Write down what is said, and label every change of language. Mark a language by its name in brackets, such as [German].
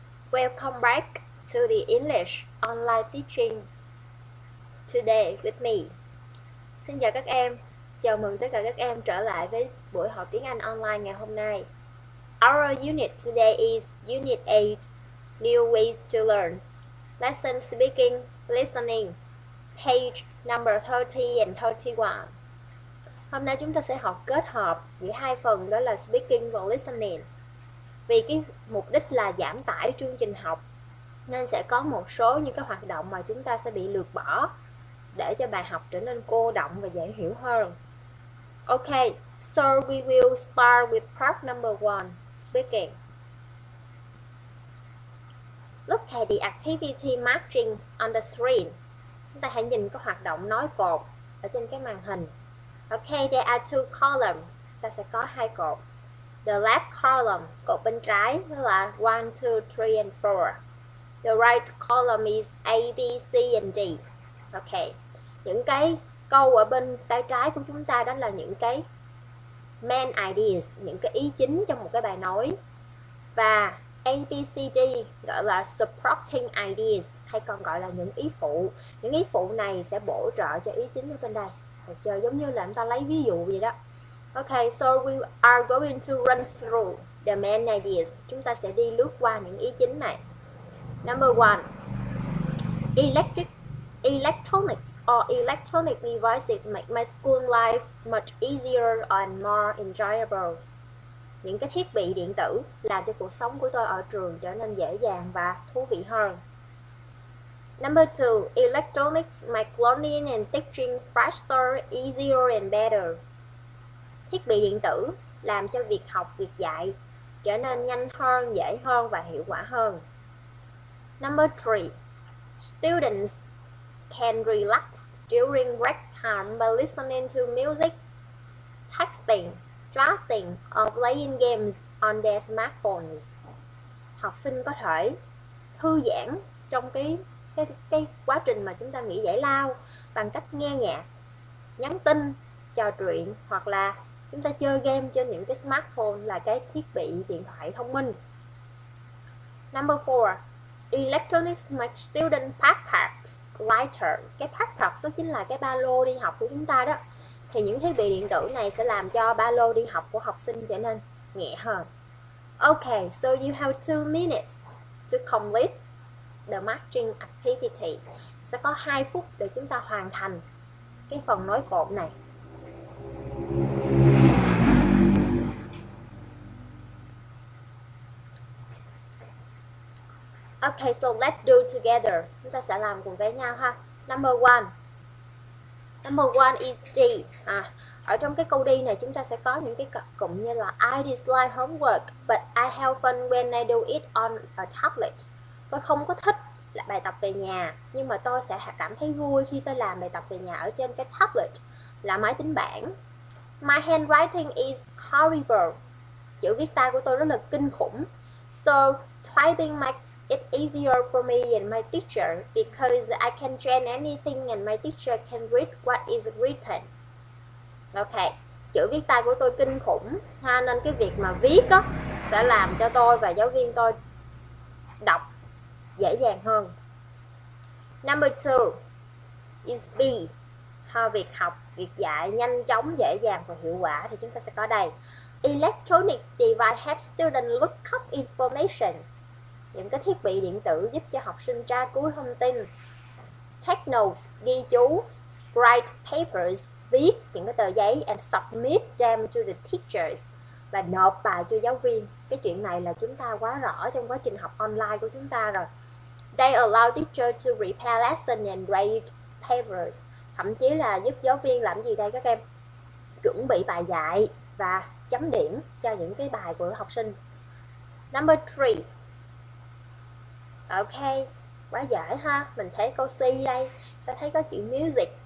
[English] Welcome back to the English Online Teaching Today with me. [Vietnamese] Xin chào các em. Chào mừng tất cả các em trở lại với buổi học tiếng Anh online ngày hôm nay. [English] Our unit today is Unit 8, New Ways to Learn. Lesson Speaking, Listening, page number 30 and 31. [Vietnamese] Hôm nay chúng ta sẽ học kết hợp giữa hai phần, đó là Speaking và Listening. Vì cái mục đích là giảm tải chương trình học nên sẽ có một số những cái hoạt động mà chúng ta sẽ bị lược bỏ để cho bài học trở nên cô đọng và dễ hiểu hơn. [English] Ok, so we will start with part number 1, speaking. Look at the activity marching on the screen. [Vietnamese] Chúng ta hãy nhìn cái hoạt động nói cột ở trên cái màn hình. [English] Ok, there are two columns. [Vietnamese] Ta sẽ có hai cột. [English] The left column, [Vietnamese] cột bên trái, đó là [English] 1, 2, 3, and 4. The right column is A, B, C, and D. Ok. [Vietnamese] Những cái câu ở bên tay trái của chúng ta đó là những cái main ideas, những cái ý chính trong một cái bài nói. Và A, B, C, D gọi là supporting ideas, hay còn gọi là những ý phụ. Những ý phụ này sẽ bổ trợ cho ý chính ở bên đây. Được chưa? Giống như là chúng ta lấy ví dụ vậy đó. [English] Ok, so we are going to run through the main ideas. [Vietnamese] Chúng ta sẽ đi lướt qua những ý chính này. [English] Number one, electronics or electronic devices make my school life much easier and more enjoyable. [Vietnamese] Những cái thiết bị điện tử làm cho cuộc sống của tôi ở trường trở nên dễ dàng và thú vị hơn. [English] Number two, electronics make learning and teaching faster, easier and better. [Vietnamese] Thiết bị điện tử làm cho việc học, việc dạy trở nên nhanh hơn, dễ hơn và hiệu quả hơn. [English] Number 3. Students can relax during break time by listening to music, texting, drafting or playing games on their smartphones. [Vietnamese] Học sinh có thể thư giãn trong cái quá trình mà chúng ta nghỉ giải lao bằng cách nghe nhạc, nhắn tin, trò chuyện hoặc là chúng ta chơi game trên những cái smartphone là cái thiết bị điện thoại thông minh. [English] Number 4. Electronics make student backpacks lighter. [Vietnamese] Cái backpacks đó chính là cái ba lô đi học của chúng ta đó. Thì những thiết bị điện tử này sẽ làm cho ba lô đi học của học sinh trở nên nhẹ hơn. [English] Ok, so you have 2 minutes to complete the marching activity. [Vietnamese] Sẽ có 2 phút để chúng ta hoàn thành cái phần nối cột này. [English] Okay, so let's do together. [Vietnamese] Chúng ta sẽ làm cùng với nhau ha. [English] Number one is D. [Vietnamese] Ở trong cái câu D này chúng ta sẽ có những cái cụm như là [English] I dislike homework, but I have fun when I do it on a tablet. [Vietnamese] Tôi không có thích bài tập về nhà, nhưng mà tôi sẽ cảm thấy vui khi tôi làm bài tập về nhà ở trên cái tablet, là máy tính bảng. [English] My handwriting is horrible. [Vietnamese] Chữ viết tay của tôi rất là kinh khủng. [English] So typing makes it easier for me and my teacher because I can change anything and my teacher can read what is written. [Vietnamese] Ok, chữ viết tay của tôi kinh khủng ha, nên cái việc mà viết á sẽ làm cho tôi và giáo viên tôi đọc dễ dàng hơn. [English] Number 2 is B. [Vietnamese] Ha, việc học, việc dạy nhanh chóng, dễ dàng và hiệu quả thì chúng ta sẽ có đây. [English] Electronic device help students look up information. [Vietnamese] Những cái thiết bị điện tử giúp cho học sinh tra cứu thông tin. [English] Take notes, [Vietnamese] ghi chú. [English] Write papers, [Vietnamese] viết những cái tờ giấy. [English] And submit them to the teachers, [Vietnamese] và nộp bài cho giáo viên. Cái chuyện này là chúng ta quá rõ trong quá trình học online của chúng ta rồi. [English] They allow teacher to prepare lesson and write papers. [Vietnamese] Thậm chí là giúp giáo viên làm gì đây các em? Chuẩn bị bài dạy và chấm điểm cho những cái bài của học sinh. [English] Number 3. [Vietnamese] Ok, quá dễ ha. Mình thấy câu C đây. Ta thấy có chữ music.